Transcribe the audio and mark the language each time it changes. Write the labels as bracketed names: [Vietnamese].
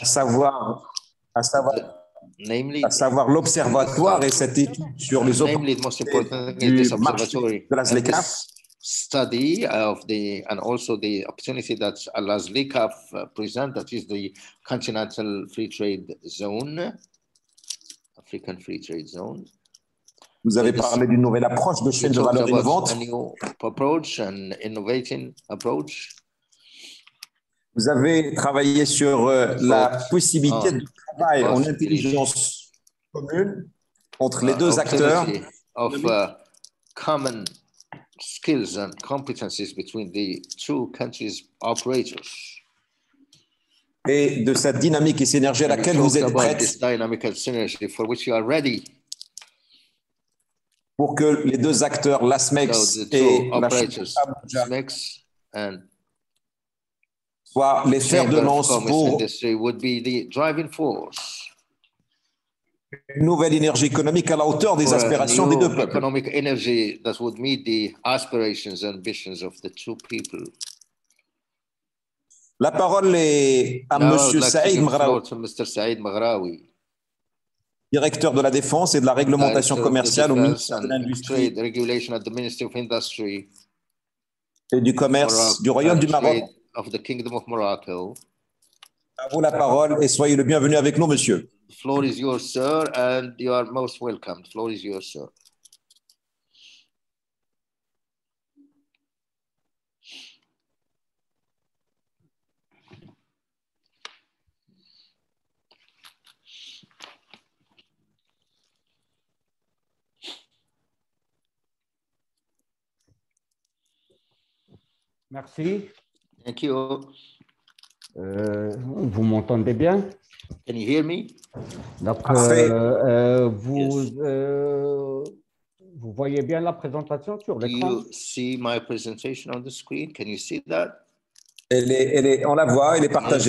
[French] à savoir l'observatoire et cette étude sur les opportunités du marché [English] study of the and also the opportunity that ALAZLICAF present, that is the Continental Free Trade Zone, African Free Trade Zone. [French] Vous avez parlé d'une nouvelle approche de chaîne de valeur innovante. [English] A new approach, an innovating approach. [French] Vous avez travaillé sur la possibilité de travail en intelligence commune entre les deux acteurs. [English] Of common skills and competencies between the two countries' operators. [French] Et de cette dynamique et synergie à laquelle vous êtes prête. [English] This dynamic and synergy for which you are ready. [French] pour que les deux acteurs, l'ASMEX et la Chambre, soient les fers de lance pour une nouvelle énergie économique à la hauteur des aspirations des deux peuples. [English] Economic energy that would meet the aspirations and ambitions of the two people. [French] La parole est à Monsieur Saïd Mghraoui, [English] Mr. Saïd Mghraoui, [French] directeur de la défense et de la réglementation commerciale au ministère de l'Industrie, [English] trade regulation at the Ministry of Industry [French] et du Commerce du Royaume du Maroc. [English] Of the Kingdom of Morocco. [French] À vous la parole et soyez le bienvenu avec nous, monsieur. [English] The floor is yours, sir, and you are most welcome. The floor is yours, sir. [French] Merci. [English] Thank you. [French] Vous m'entendez bien? [English] Can you hear me? [French] Donc, vous voyez bien la présentation sur l'écran? [English] Do you see my presentation on the screen? Can you see that? [French] Elle est, on la voit, elle est partagée.